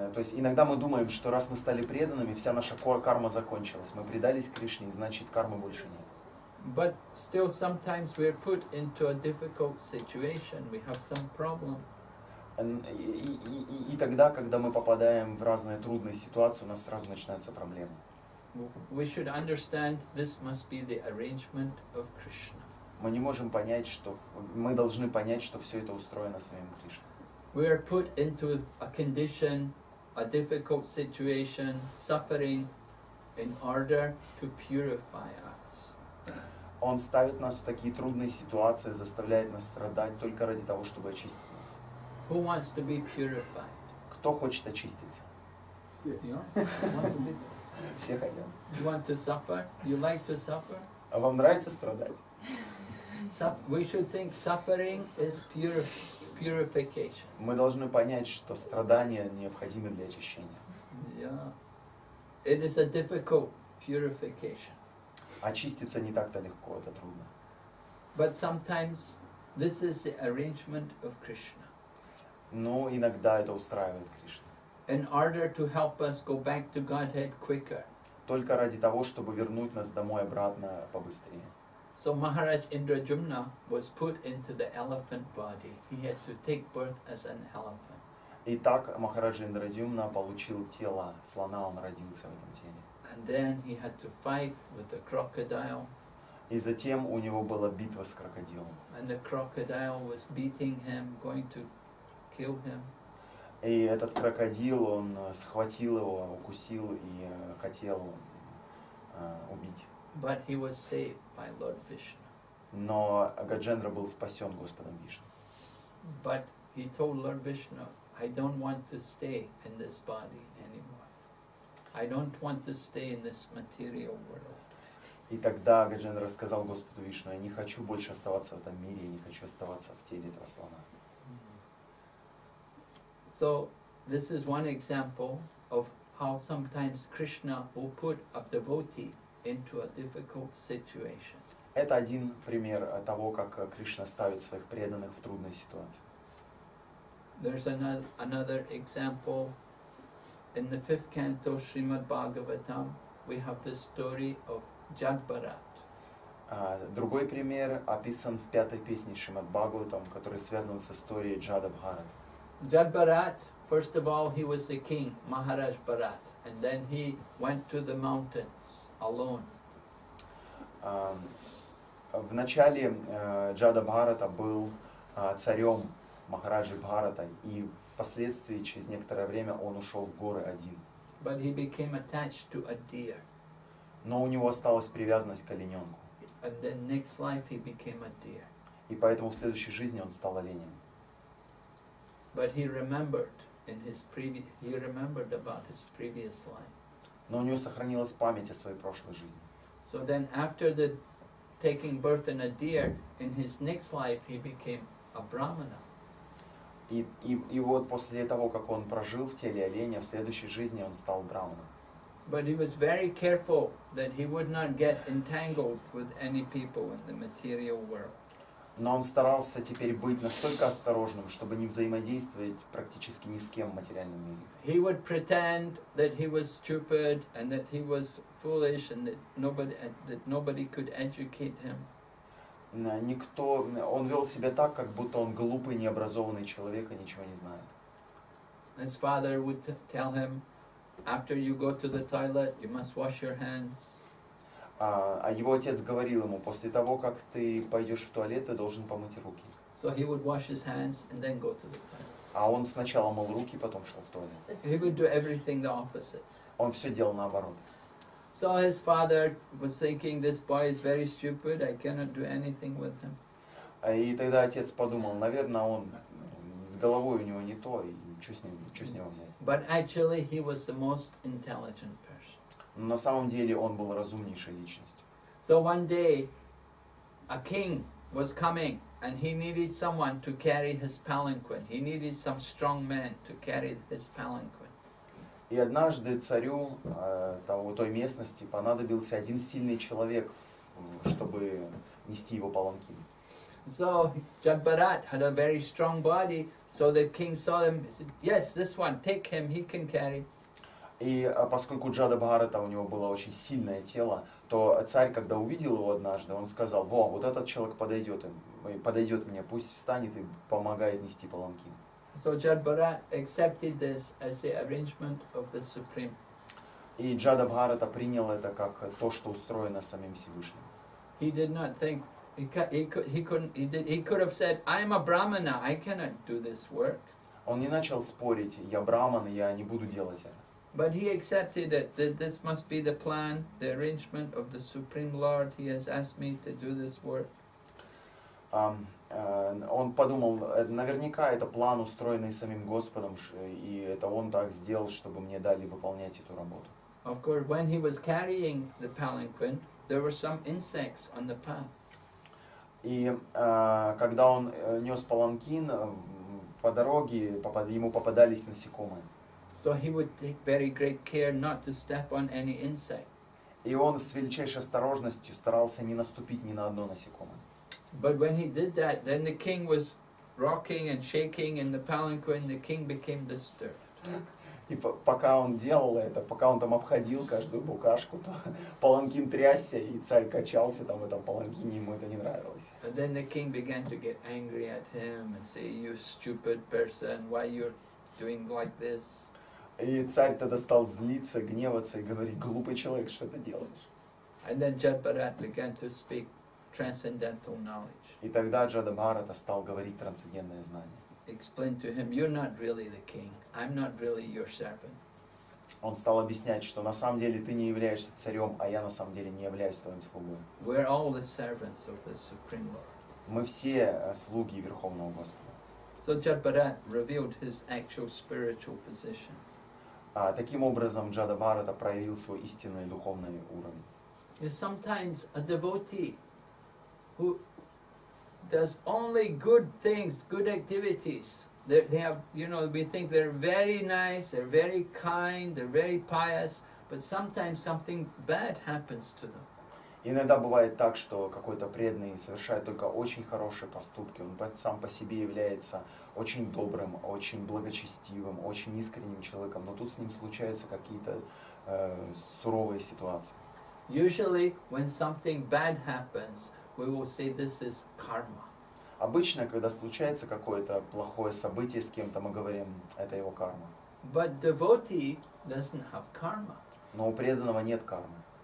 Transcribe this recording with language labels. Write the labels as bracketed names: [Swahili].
[Russian] То есть иногда мы думаем, что раз мы стали преданными, вся наша карма закончилась. Мы предались Кришне, значит, кармы больше нет. [English] But still sometimes we are put into a difficult situation, we have some problem. [Russian] И тогда, когда мы попадаем в разные трудные ситуации, у нас сразу начинаются проблемы. [English] We should understand this must be the arrangement of Krishna. [Russian] Мы не можем понять, что мы должны понять, что все это устроено самим Кришной. [English] We are put into a condition, a difficult situation, suffering, in order to purify us. [Russian] Он ставит нас в такие трудные ситуации, заставляет нас страдать только ради того, чтобы очистить нас. [English] Who wants to be purified? [Russian] Кто хочет очиститься? Все. Все хотят. [English] You want to suffer? You like to suffer? [Russian] А вам нравится страдать? [English] We should think suffering is purification. [Russian] Мы должны понять, что страдания необходимы для очищения. [English] Yeah. It is a difficult purification. [Russian] Очиститься не так-то легко, это трудно. [English] But sometimes this is the arrangement of Krishna. [Russian] Но иногда это устраивает Кришна. [English] In order to help us go back to Godhead quicker. [Russian] Только ради того, чтобы вернуть нас домой обратно побыстрее. [English] So Maharaj Indrajumna was put into the elephant body. He had to take birth as an elephant. [Russian] Итак, Махараджа Индраджумна получил тело слона, он родился в этом теле. [English] And then he had to fight with the crocodile. [Russian] И затем у него была битва с крокодилом. [English] And the crocodile was beating him, going to kill him. [Russian] И этот крокодил, он схватил его, укусил и хотел убить. [English] But he was saved by Lord Vishnu. [Russian] Но Гаджендра был спасен Господом Вишну. [English] But he told Lord Vishnu, I don't want to stay in this body anymore. I don't want to stay in this material world. [Russian] И тогда Гаджендра сказал Господу Вишну, я не хочу больше оставаться в этом мире, я не хочу оставаться в теле этого слона. [English] So this is one example of how sometimes Krishna will put a devotee into a difficult situation. [Russian] Это один пример того, как Кришна ставит своих преданных в трудные ситуации. [English] There's another example in the fifth canto Srimad Bhagavatam. We have the story of Jagbarat. [Russian] Другой пример описан в пятой песне Шримад Бхагаватам, который связан с историей Джадабхарат. [English] Jagbarat, first of all, he was the king, Maharaj Bharat, and then he went to the mountains alone. [Russian] В начале Джадабхарата был царем Махараджи Бхарата, и впоследствии, через некоторое время, он ушел в горы один. [English] But he became attached to a deer. [Russian] Но у него осталась привязанность к олененку. [English] And then next life he became a deer. [Russian] И поэтому в следующей жизни он стал оленем. [English] But he remembered in his he remembered about his previous life. [Russian] Но у него сохранилась память о своей прошлой жизни. [English] So then after the taking birth in a deer, in his next life he became a brahmana. [Russian] И вот после того, как он прожил в теле оленя, в следующей жизни он стал брахманом. [English] But he was very careful that he would not get entangled with any people in the material world. [Russian] Но он старался теперь быть настолько осторожным, чтобы не взаимодействовать практически ни с кем в материальном мире. [English] He would pretend that he was stupid and that he was foolish and that nobody could educate him. [Russian] Никто, он вел себя так, как будто он глупый, необразованный человек и ничего не знает. [English] His father would tell him, after you go to the toilet, you must wash your hands. [Russian] А его отец говорил ему, после того, как ты пойдешь в туалет, ты должен помыть руки. [English] So he would wash his hands and then go to the toilet. [Russian] А он сначала мыл руки, потом шел в туалет. [English] He would do everything the opposite. [Russian] Он все делал наоборот. [English] So his father was thinking, this boy is very stupid, I cannot do anything with him. [Russian] И тогда отец подумал, наверное, он с головой у него не то, и что с него взять. [English] But actually he was the most intelligent person. [Russian] Но на самом деле он был разумнейшей личностью. [English] So one day a king was coming and he needed someone to carry his palanquin. He needed some strong man to carry his palanquin. [Russian] И однажды царю той местности понадобился один сильный человек, чтобы нести его паланкин. [English] So Jagbarat had a very strong body, so the king saw him, he said, yes, this one, take him, he can carry. [Russian] И поскольку Джадабхарата у него было очень сильное тело, то царь, когда увидел его однажды, он сказал, во, вот этот человек подойдет мне, пусть встанет и помогает нести паланкин. [English] So Jagbarat accepted this as the arrangement of the Supreme. [Russian] И Джадабхарата принял это как то, что устроено самим Всевышним. [English] He did not think he could have said, I am a brahmana, I cannot do this work. [Russian] Он не начал спорить, я брахман, я не буду делать это. [English] But he accepted it, that this must be the plan, the arrangement of the Supreme Lord. He has asked me to do this work. [Russian] Он подумал, наверняка это план, устроенный самим Господом, и это он так сделал, чтобы мне дали выполнять эту работу. [English] Of course, when he was carrying the palanquin, there were some insects on the path. [Russian] И когда он нес паланкин, по дороге ему попадались насекомые. [English] So he would take very great care not to step on any insect. [Russian] И он с величайшей осторожностью старался не наступить ни на одно насекомое. [English] But when he did that, then the king was rocking and shaking in the palanquin, the king became disturbed. [Russian] И пока он делал это, пока он там обходил каждую букашку, то паланкин трясся, и царь качался там в этом паланкине, ему это не нравилось. [English] But then the king began to get angry at him and say, you stupid person, why you're doing like this? [Russian] И царь тогда стал злиться, гневаться и говорить, глупый человек, что ты делаешь? [English] And then Jadbharat began to speak transcendental knowledge. [Russian] И тогда Джадабхарата стал говорить трансцендентное знание. [English] Explain to him, you're not really the king. I'm not really your servant. [Russian] Он стал объяснять, что на самом деле ты не являешься царем, а я на самом деле не являюсь твоим слугой. [English] We're all the servants of the Supreme Lord. [Russian] Мы все слуги Верховного Господа. [English] So Jadbharat revealed his actual spiritual position. [Russian] Таким образом Джадабхарата проявил свой истинный духовный уровень. [English] Yeah, sometimes a devotee who does only good things, good activities. They have, you know, we think they're very nice, they're very kind, they're very pious, but sometimes something bad happens to them. [Russian] Иногда бывает так, что какой-то преданный совершает только очень хорошие поступки, он сам по себе является очень добрым, очень благочестивым, очень искренним человеком, но тут с ним случаются какие-то суровые ситуации. [English] Usually, when something bad happens, we will say this is karma. [Russian] Обычно, когда случается какое-то плохое событие с кем-то, мы говорим, это его карма. [English] But devotee doesn't have karma. [Russian] Но у преданного нет кармы.